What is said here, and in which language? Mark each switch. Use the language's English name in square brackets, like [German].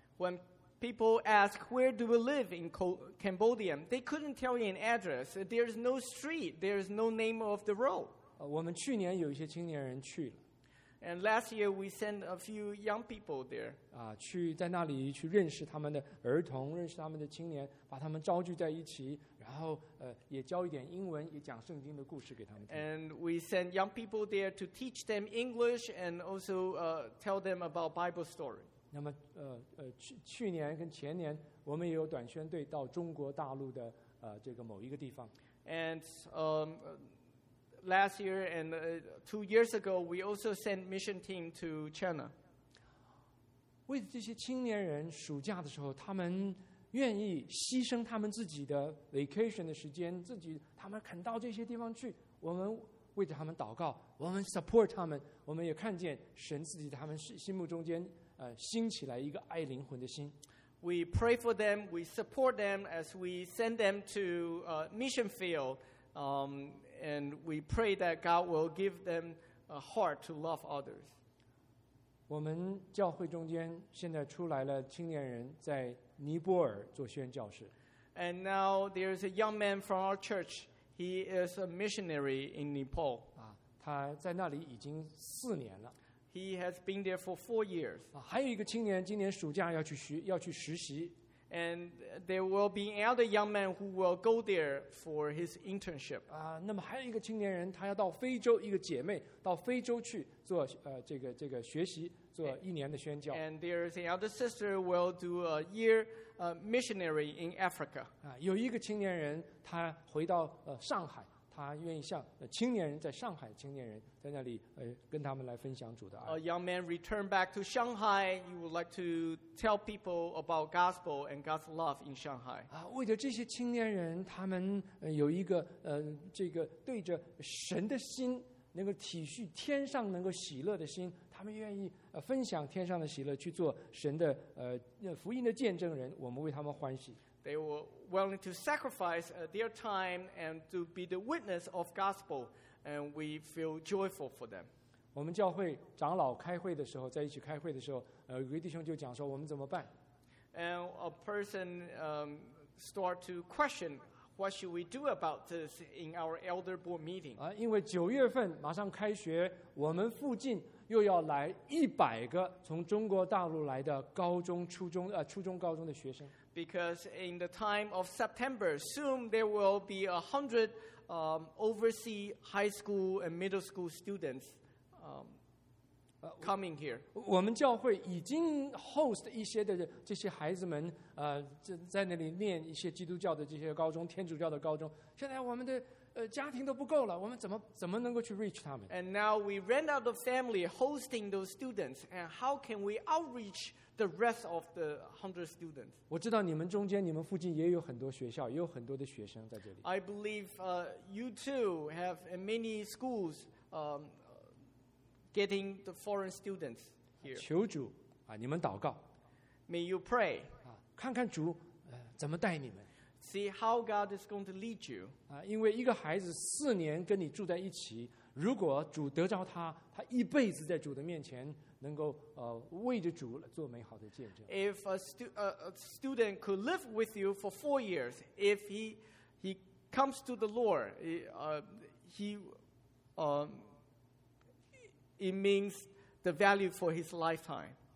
[English] When people ask where do we live in Cambodia, they couldn't tell you an address. There is no street. There is no name of the road. [Chinese] 我们去年有一些青年人去了。 [English] And last year we sent a few young people there. [Chinese] 去在那里去认识他们的儿童，认识他们的青年，把他们招聚在一起。然后也教一点英文，也讲圣经的故事给他们听。 [English] And we send young people there to teach them English and also tell them about Bible story. [Chinese] 那么去年跟前年，我们也有短宣队到中国大陆的这个某一个地方。 [English] And last year and 2 years ago, we also sent mission team to China. [Chinese] 为这些青年人暑假的时候，他们。愿意牺牲他们自己的 vacation 的时间，自己他们肯到这些地方去，我们为他们祷告，我们 support 他们，我们也看见神自己他们心目中间兴起来一个爱灵魂的心。 [English] We pray for them, we support them as we send them to a mission field, and we pray that God will give them a heart to love others. [Chinese] 我们教会中间现在出来了青年人在。尼泊尔做宣教士。 [English] And now there is a young man from our church. He is a missionary in Nepal. [Chinese] 他在那里已经四年了。 [English] He has been there for 4 years. [Chinese] 还有一个青年今年暑假要去实习。 [English] And there will be another young man who will go there for his internship. [Chinese] 那么还有一个青年人他要到非洲一个姐妹到非洲去做这个学习。 [English] And there is another sister who will do a year missionary in Africa. [Chinese] 有一个青年人，他回到上海，他愿意向青年人在上海青年人在那里跟他们来分享主的爱。 [English] A young man returned back to Shanghai. He would like to tell people about gospel and God's love in Shanghai. [Chinese] 为着这些青年人，他们有一个这个对着神的心，能够体恤天上能够喜乐的心。他们愿意分享天上的喜乐，去做神的福音的见证人。我们为他们欢喜。 [English] They were willing to sacrifice their time and to be the witness of gospel, and we feel joyful for them. [Chinese] 我们教会长老开会的时候，在一起开会的时候，有一弟兄就讲说，我们怎么办 [English] ？And a person start to question what should we do about this in our elder board meeting. [Chinese] 因为九月份马上开学，我们附近。又要来100个从中国大陆来的高中、初中、初中、高中的学生。 [English] Because in the time of September, soon there will be 100 oversee high school and middle school students coming here. [Chinese] 我们教会已经 host 一些的这些孩子们 在那里念一些基督教的这些高中天主教的高中 现在我们的 家庭都不够了，我们怎么能够去 reach 他们？ [English] And now we ran out of family hosting those students, and how can we outreach the rest of the 100 students? [Chinese] 我知道你们中间，你们附近也有很多学校，也有很多的学生在这里。 [English] I believe you too have many schools getting the foreign students here. [Chinese] 求主啊，你们祷告。 [English] May you pray. [Chinese] 看看主怎么带你们。 [English] See how God is going to lead you. [Chinese] 因为一个孩子四年跟你住在一起, 如果主得着他, 他一辈子在主的面前能够, 为着主做美好的见证。 [English] If a student could live with you for 4 years, if he comes to the Lord, it means the value for his lifetime.